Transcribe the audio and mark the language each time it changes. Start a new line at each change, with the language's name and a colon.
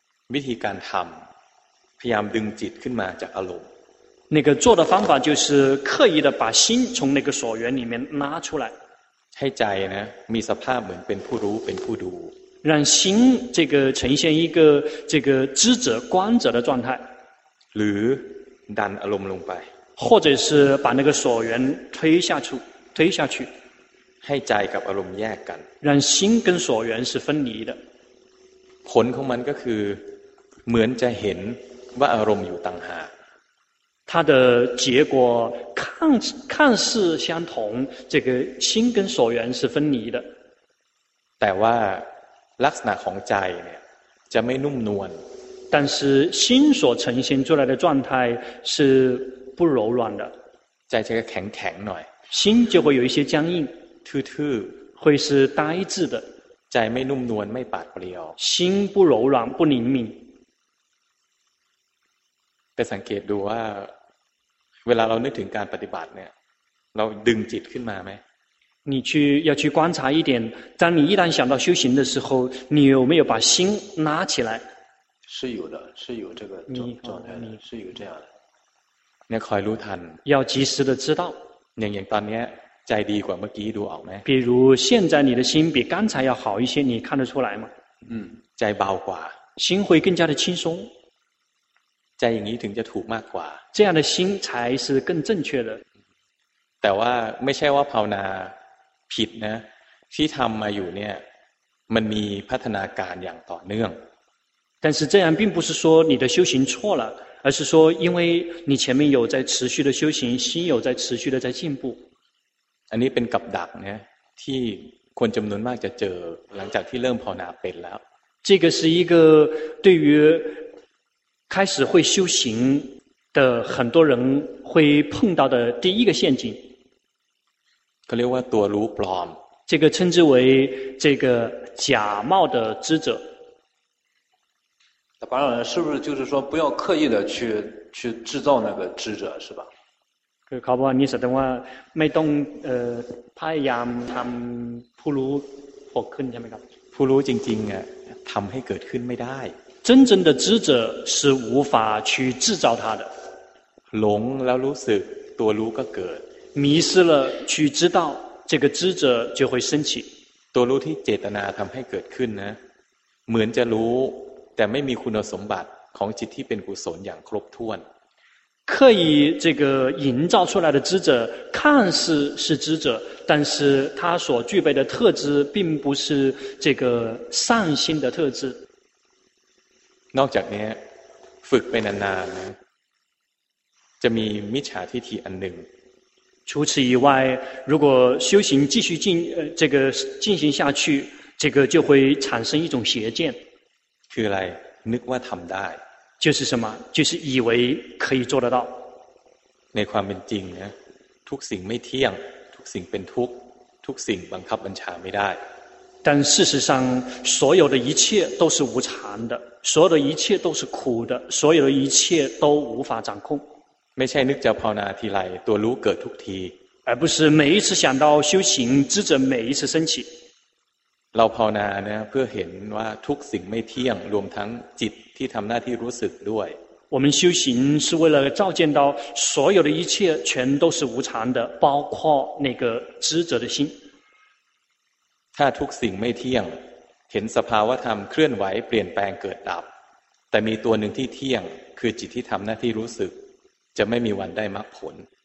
Thai: วิธีการทำพยายามดึงจิตขึ้นมาจากอารมณ์
Chinese: 那个做的方法就是刻意的把心从那个所缘里面拉出来
Thai: ให้ใจนะมีสภาพเหมือนเป็นผู้รู้เป็นผู้ดู
Chinese: 让心这个呈现一个这个知者观者的状态
Thai: หรือดันอารมณ์ลงไป
Chinese: 或者是把那个所缘推下去
Thai: ให้ใจกับอารมณ์แยกกัน
Chinese: 让心跟所缘是分离的
Thai: ผลของมันก็คือเหมือนจะเห็นว่าอารมณ์อยู่ต่างหาก
Chinese: 它的结果 看似相同，这个心跟所缘是分离的。
Thai: แต่ว่าลักษณะของใจเนี่ยจะไม่นุ่มนวล，
Chinese: 但是心所呈现出来的状态是不柔软的。
Thai: ใจจะแข็งแข็งหน่อย，
Chinese: 心就会有一些僵硬，
Thai: ทื่อ
Chinese: ๆ，会是呆滞的。
Thai: ใจไม่นุ่มนวลไม่ปราดเปรียว，
Chinese: 心不柔软不灵敏。
Thai: ไปสังเกตดูว่าเวลาเรานึกถึงการปฏิบัติเนี่ยเราดึงจิตขึ้นมาไ หม？
Chinese: 你去要去观察一点，当你一旦想到修行的时候，你有没有把心拉起来？是有的，是有这个状态的，是有这样的。你要快入坛，要及时的知道。
Thai: อย่างตอนนี้ใจดีกว่าเมื่อกี้ดูออกไหม？
Chinese: 比如现在你的心比刚才要好一些，你看得出来吗？
Thai: 嗯，ใจเบากว่า，
Chinese: 心会更加的轻松。
Thai: ใจอย่างนี้ถึงจะถูกมากกว่า
Chinese: 这样的心才是更正确的
Thai: แต่ว่าไม่ใช่ว่าภาวนาผิดนะที่ทำมาอยู่เนี่ยมันมีพัฒนาการอย่างต่อเนื่อง
Chinese: 但是这样并不是说你的修行错了而是说因为你前面有在持续的修行心有在持续的在进步
Thai: อันนี้เป็นกับดักนะที่คนจำนวนมากจะเจอหลังจากที่เริ่มภาวนาเป็นแล้ว
Chinese: 这个是一个对于开始会修行的很多人会碰到的第一个陷阱，
Thai: เขาเรียกว่าตัวรู้ปลอม，
Chinese: 这个称之为这个假冒的知者。那班长是不是就是说不要刻意的去制造那个知者是吧？
Thai: คือเขาบอกว่านิสัยตรงว่าไม่ต้องพยายามทำผู้รู้พกขึ้นใช่ไหมครับ？ ผู้รู้จริงๆอ่ะทำให้เกิดขึ้นไม่ได้
Chinese: 真正的知者是无法去制造它的。
Thai: 龙แล้วรู้สึกตัวรู้ก็เกิด。
Chinese: 迷失了去知道，这个知者就会升起。
Thai: ตัวรู้ที่เจตนาทำให้เกิดขึ้นนะเหมือนจะรู้แต่ไม่มีคุณสมบัติของจิตที่เป็นกุศลอย่างครบถ้วน。
Chinese: 刻意这个营造出来的知者看似是知者，但是他所具备的特质并不是这个善心的特质。
Thai: นอกจากนี้ฝึกไปนานๆจะมีมิจฉาทิฏฐิอันหนึ่ง
Chinese: 除此以外如果修行继续进行下去这个就会产生一种邪见
Thai: คืออะไรนึกว่าทำได้
Chinese: 就是什么就是以为可以做得到
Thai: ในความเป็นจริงนะทุกสิ่งไม่เที่ยงทุกสิ่งเป็นทุกข์ทุกสิ่งบังคับบัญชาไม่ได้
Chinese: 但事实上所有的一切都是无常的所有的一切都是苦的所有的一切都无法掌控
Thai: ไม่ใช่นึกจะภาวนาทีไรตัวรู้เกิดทุกที
Chinese: 而不是每一次想到修行知者每一次升起
Thai: เราภาวนาเนี่ยเพื่อเห็นว่าทุกสิ่งไม่เที่ยงรวมทั้งจิตที่ทำหน้าที่รู้สึกด้วย
Chinese: 我们修行是为了照见到所有的一切全都是无常的包括那个知者的心
Thai: ถ้าทุกสิ่งไม่เที่ยงเห็นสภาวะธรรมเคลื่อนไหวเปลี่ยนแปลงเกิดดับแต่มีตัวหนึ่งที่เที่ยงคือจิตที่ทำหน้าที่รู้สึกจะไม่มีวันได้มรรคผล